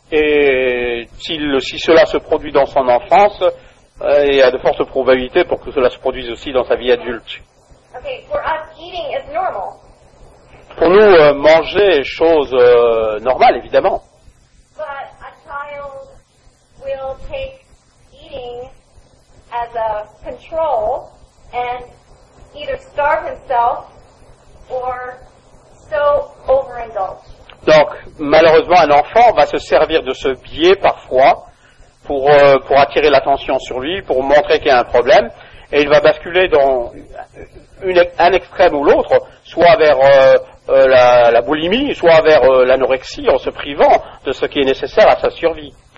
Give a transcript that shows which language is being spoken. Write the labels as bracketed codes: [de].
[fr] Et si cela se produit dans son enfance, il y a de fortes probabilités pour que cela se produise aussi dans sa vie adulte. [en] Okay, for us, eating is normal. [fr] Pour nous, manger est chose normale, évidemment. [en] But a child will take eating as a control and either starve himself or so overindulge. [fr] Donc, malheureusement, un enfant va se servir de ce biais parfois pour attirer l'attention sur lui, pour montrer qu'il y a un problème, et il va basculer dans un extrême ou l'autre, soit vers la boulimie, soit vers l'anorexie, en se privant de ce qui est nécessaire à sa survie.